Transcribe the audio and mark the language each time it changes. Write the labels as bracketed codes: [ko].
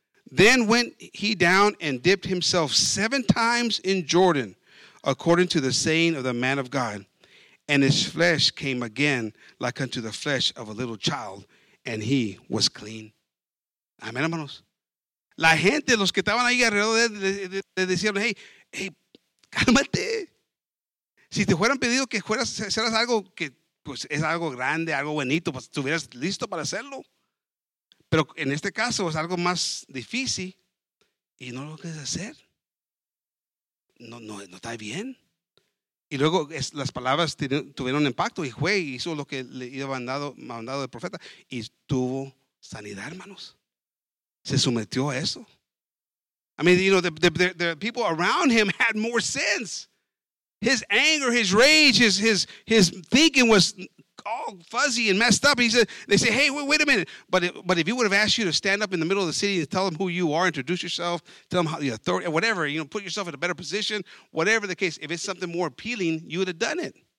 [en] Then went he down and dipped himself 7 times in Jordan, according to the saying of the man of God. And his flesh came again like unto the flesh of a little child, and he was clean. [es] Amén, hermanos. La gente, los que estaban ahí alrededor de él, le decían, hey, cálmate. Si te hubieran pedido que fueras algo que pues es algo grande, algo bonito, pues estuvieras listo para hacerlo. Pero en este caso es algo más difícil y no lo quieres hacer. No está bien. Y luego las palabras tuvieron impacto y fue y hizo lo que le iba mandado el profeta y tuvo sanidad, hermanos. Se sometió a eso. [en] I mean, you know, the people around him had more sins. His anger, his rage, his thinking was all fuzzy and messed up. They say, hey, wait a minute. But if he would have asked you to stand up in the middle of the city and tell them who you are, introduce yourself, tell them how the authority, whatever, you know, put yourself in a better position, whatever the case, if it's something more appealing, you would have done it.